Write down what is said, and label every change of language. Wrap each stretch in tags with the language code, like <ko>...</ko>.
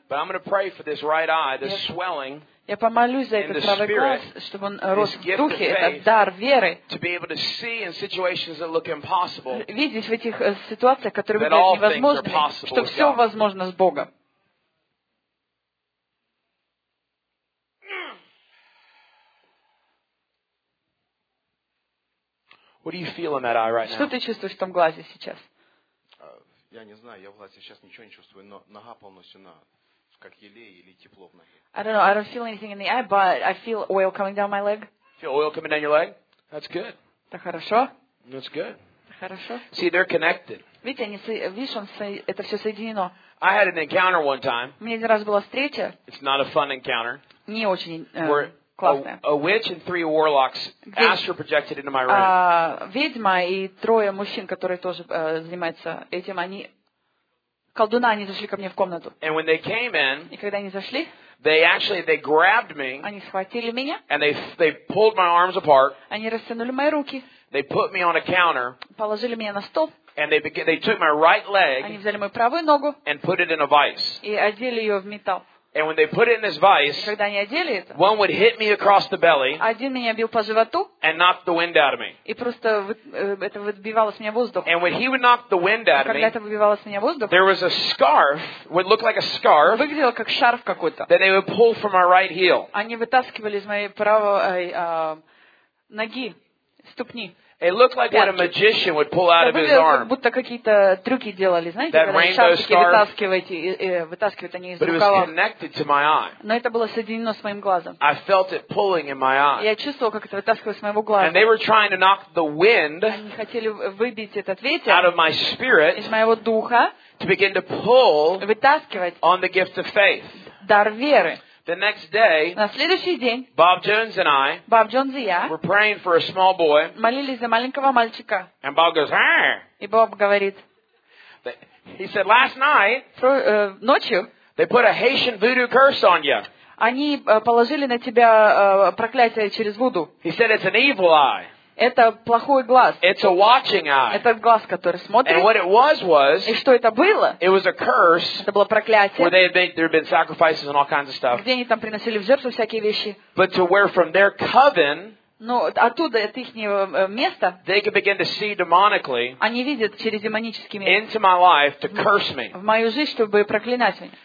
<en>But I'm going to pray for this right eye, this swelling.</en> <ru>Я помолюсь за этот правый глаз, чтобы он рос в духе, этот дар веры, видеть в этих ситуациях, которые выглядят невозможными, что все возможно с Богом. Что ты чувствуешь в том глазе сейчас? Я не знаю, я в глазе сейчас ничего не чувствую, но нога полностью на... как елей или тепло в ноге.</ru> <en>I don't know, I don't feel anything in the eye, but I feel oil coming down my leg. Feel oil coming down your leg? That's good.</en> <ru>Это хорошо?</ru> <en>That's good.</en> <ru>Хорошо.</ru> <en>See, they're connected.</en> <ru>Видите, они, видишь, он, это все соединено.</ru> <en>I had an encounter one time.</en> <ru>У меня один раз была встреча.</ru> <en>It's not a fun encounter.</en> <ru>Не очень классная.</ru> <en>A witch and three warlocks astral projected into my room.</en> <ru>Ведьма и трое мужчин, которые тоже занимаются этим, они... колдуна, они зашли ко мне в комнату.</ru> <en>And when they came in,</en> <ru>и когда они зашли,</ru> <en>they grabbed me,</en> <ru>они схватили меня,</ru> <en>and they pulled my arms apart,</en> <ru>они растянули мои руки,</ru> <en>they put me on a counter,</en> <ru>положили меня на стол,</ru> <en>and they took my right leg,</en> <ru>они взяли мою правую ногу,</ru> <en>and put it in a vise,</en> <ru>и одели ее в металл.</ru> <en>And when they put it in this vise,</en> <ru>и когда они одели это,</ru> <en>one would hit me across the belly,</en> <ru>один меня бил по животу,</ru> <en>and knocked the wind out of me.</en> <ru>И просто это выбивало с меня воздух.</ru> <en>And when he would knock the wind out of me,</en> <ru>когда это выбивало с меня воздух,</ru> <en>there was a scarf, would look like a scarf,</en> <ru>выглядело как шарф какой-то,</ru> <en>that they would pull from my right heel.</en> <ru>Они вытаскивали из моей правой ноги, ступни.</ru> <en>It looked like what a magician would pull out of his arm.</en> <ru>Как будто какие-то трюки делали, знаете, когда шарфики вытаскивают они из рукава.</ru> <en>But it was connected to my eye.</en> <ru>Но это было соединено с моим глазом.</ru> <en>I felt it pulling in my eye.</en> <ru>Я чувствовал, как это вытаскивалось с моего глаза.</ru> <en>And they were trying to knock the wind.</en> <ru>Они хотели выбить этот ветер.</ru> <en>Out of my spirit.</en> <ru>Из моего духа.</ru> <en>To begin to pull.</en> <ru>Вытаскивать.</ru> <en>On the gift of faith.</en> <ru>Дар веры.</ru> <en>The next day,</en> <ru>на следующий день,</ru> <en>Bob Jones and I,</en> <ru>Bob Jones и я,</ru> <en>were praying for a small boy,</en> <ru>молились за маленького мальчика,</ru> <en>and Bob goes, hey!</en> <ru>И Боб говорит,</ru> <en>he said, last night,</en> <ru>ночью,</ru> <en>they put a Haitian voodoo curse on you.</en> <ru>Они положили на тебя проклятие через вуду.</ru> <en>He said, it's an evil eye.</en> <ru>Это плохой глаз.</ru> <en>It's a watching eye.</en> <ru>Это глаз, который смотрит.</ru> <en>And what it was,</en> <ru>и что это было?</ru> <en>It was a curse.</en> <ru>Это было проклятие.</ru> <en>Where there had been sacrifices and all kinds of stuff.</en> <ru>Где они там приносили в жертву всякие вещи.</ru> <en>But to where from their coven,</en> <ru>но оттуда, от их места,</ru> <en>they could begin to see demonically,</en> <ru>они видят через демонический мир,</ru> <en>into my life to curse me.</en> <ru>В мою жизнь, чтобы проклинать меня.</ru>